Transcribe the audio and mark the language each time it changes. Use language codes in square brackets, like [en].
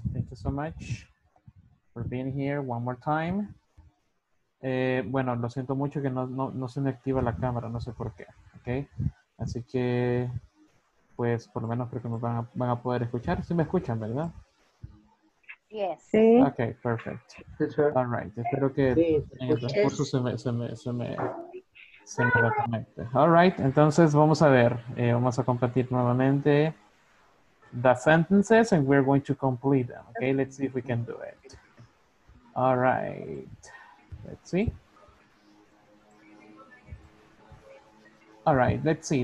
[en] Thank you so much for being here one more time. [es] Bueno, lo siento mucho que no se me activa la cámara, no sé por qué, ¿ok? Así que, pues, por lo menos creo que me van a poder escuchar. Sí me escuchan, ¿verdad? [en] Yes. [es] Sí. [en] Ok, perfect. All right. [es] Espero que en el transcurso se me reconecte. [en] All right. [es] Entonces, vamos a ver. Vamos a compartir nuevamente [en] the sentences and we're going to complete them. Ok, let's see if we can do it. All right. Let's see. All right, let's see.